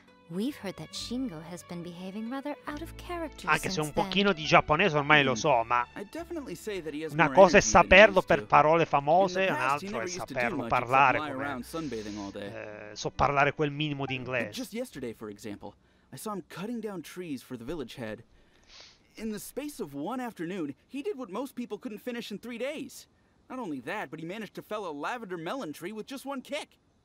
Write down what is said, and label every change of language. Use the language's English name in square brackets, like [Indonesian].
[English] We've heard that Shingo has been behaving rather out of character. [Italian] Anche se un pochino di giapponese ormai lo so, ma una cosa è saperlo per parole famose, un altro è saperlo parlare come so parlare quel minimo di inglese. [English] Just yesterday, for example, I saw him cutting down trees for the village head. In the space of one afternoon, he did what most people couldn't finish in 3 days. Not only that, but he managed to fell a lavender melon tree with just one kick.